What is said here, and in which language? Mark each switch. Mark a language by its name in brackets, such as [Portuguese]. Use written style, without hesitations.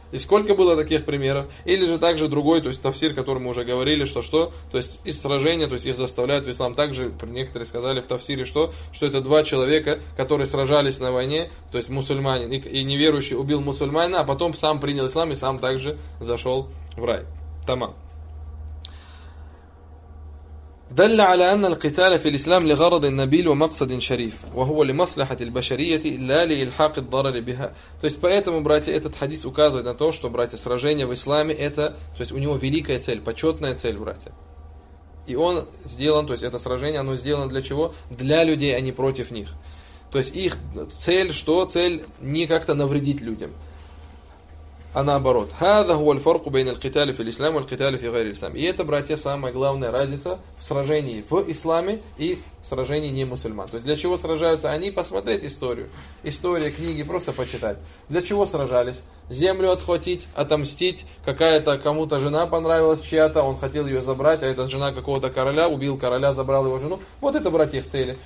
[Russian] И сколько было таких примеров? Или же также другой, то есть тафсир, который мы уже говорили, что-что, то есть из сражения, то есть их заставляют в ислам. Также некоторые сказали в тафсире, что это два человека, которые сражались на войне, то есть мусульманин и неверующий убил мусульманина, а потом сам принял ислам и сам также зашел в рай. Тамам. [Arabic] دل على أن القتال في الإسلام لغرض نبيل ومقصد شريف وهو لمصلحة البشرية لا لإلحاق الضرر بها. [Russian] То есть поэтому, братья, этот хадис указывает на то, что, братья, сражение в исламе это, то есть у него великая цель, почетная цель, братья. И он сделан, то есть это сражение, оно сделано для чего? Для людей, а не против них. То есть их цель что? Цель не как-то навредить людям. А наоборот. [Arabic] هذا هو الفرق بين القتال في الإسلام والقتال في غير الإسلام. [Russian] И это, братья, самая главная разница в сражении в исламе и в сражении не мусульман. То есть для чего сражаются они? Посмотреть историю. История, книги, просто почитать. Для чего сражались? Землю отхватить, отомстить. Какая-то кому-то жена понравилась чья-то, он хотел ее забрать, а эта жена какого-то короля, убил короля, забрал его жену. Вот это, братья, их цели.